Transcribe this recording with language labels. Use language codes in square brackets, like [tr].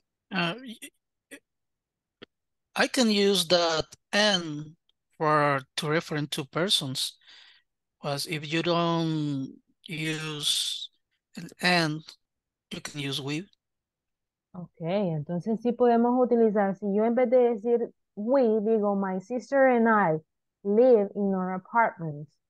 [en] I can use that and for to refer to persons, because if you don't use an and, you can use we. [es] Okay, entonces sí podemos utilizar, si yo en vez de decir digo, [en] my sister and I live in our apartment.